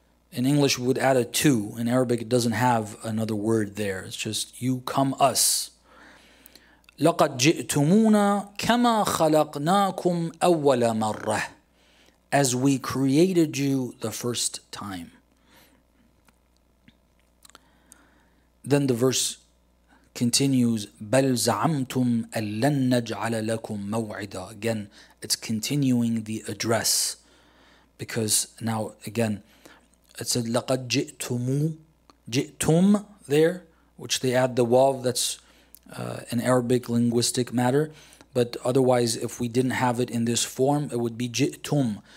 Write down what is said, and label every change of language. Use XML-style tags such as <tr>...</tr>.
<en>In English, we would add a to. In Arabic, it doesn't have another word there. It's just, you come us.</en> <ar>لَقَدْ جِئْتُمُونَ كَمَا خَلَقْنَاكُمْ أَوَّلَ مَرَّةٍ.</ar> <en>As we created you the first time. Then the verse continues,</en> <ar>بَلْ زَعَمْتُمْ أَلَّنْ نَجْعَلَ لَكُمْ مَوْعِدًا.</ar> <en>Again, it's continuing the address. Because now, again, it said,</en> <ar>لَقَدْ جِئْتُمْ</ar> <en>there, which they add the waw, that's an Arabic linguistic matter. But otherwise, if we didn't have it in this form, it would be jitum.</en>